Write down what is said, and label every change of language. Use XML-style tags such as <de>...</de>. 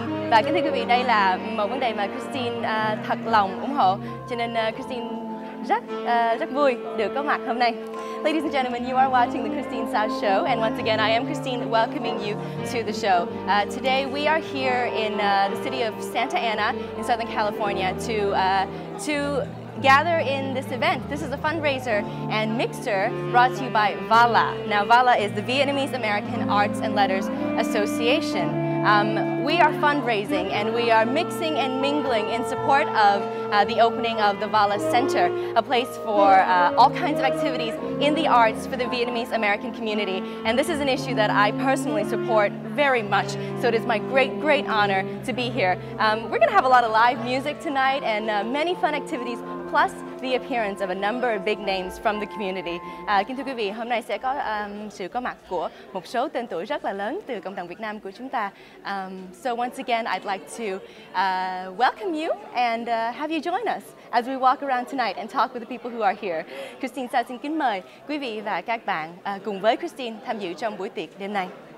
<vi>Và kính thưa quý vị, đây là một vấn đề mà Christine thật lòng ủng hộ, cho nên Christine rất vui được có mặt hôm nay.</vi> <en>Ladies and gentlemen, you are watching the Christine Sa Show, and once again, I am Christine welcoming you to the show. Today, we are here in the city of Santa Ana in Southern California to gather in this event. This is a fundraiser and mixer brought to you by VALA. Now, VALA is the Vietnamese American Arts and Letters Association. We are fundraising and we are mixing and mingling in support of the opening of the VALA Center, a place for all kinds of activities in the arts for the Vietnamese American community. And this is an issue that I personally support very much, so it is my great, great honor to be here. We're going to have a lot of live music tonight and many fun activities, plus the appearance of a number of big names from the community.</en> <vi>Kính thưa quý vị, hôm nay sẽ có sự có mặt của một số tên tuổi rất là lớn từ cộng đồng Việt Nam của chúng ta.</vi> <en>So once again, I'd like to welcome you and have you join us as we walk around tonight and talk with the people who are here.</en> <vi>Christine Sa xin kính mời quý vị và các bạn cùng với Christine tham dự trong buổi tiệc đêm nay.</vi>